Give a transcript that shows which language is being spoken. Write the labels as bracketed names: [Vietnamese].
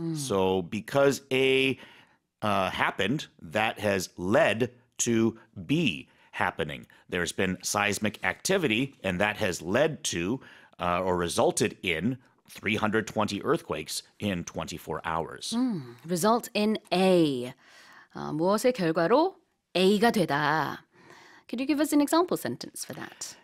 [English] So because A happened, that has led to B happening. There's been seismic activity, and that has led to or resulted in 320 earthquakes in 24 hours. Result in A. [Korean] 무엇의 결과로 A가 되다. [English] Could you give us an example sentence for that?